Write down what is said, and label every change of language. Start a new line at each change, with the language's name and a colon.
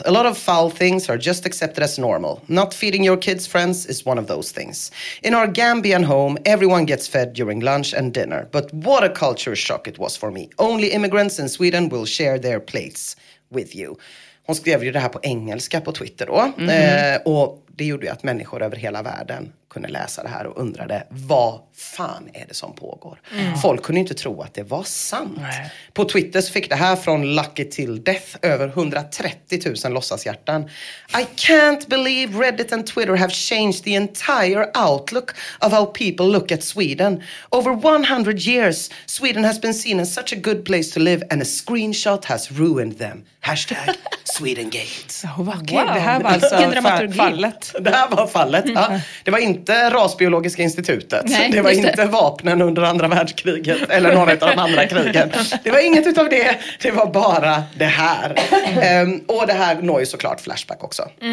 English: A lot of foul things are just accepted as normal. Not feeding your kids friends is one of those things. In our Gambian home, everyone gets fed during lunch and dinner. But what a culture shock it was for me. Only immigrants in Sweden will share their plates with you.
Swedish: Hon skrev ju det här på engelska på Twitter då. Och det gjorde ju att människor över hela världen kunde läsa det här och undrade, vad fan är det som pågår? Mm. Folk kunde inte tro att det var sant. Nej. På Twitter så fick det här från Lucky Till Death över 130 000 låtsashjärtan.
English: I can't believe Reddit and Twitter have changed the entire outlook of how people look at Sweden. Over 100 years, Sweden has been seen as such a good place to live and a screenshot has ruined them. Hashtag Swedengate. Oh, okay.
Swedish: Wow. Det här var alltså fallet. Det här var fallet, ja. Det var inte Rasbiologiska institutet. Nej, det var inte vapnen under andra världskriget eller några av de andra krigen. Det var inget utav det. Det var bara det här. Och det här når ju såklart Flashback också.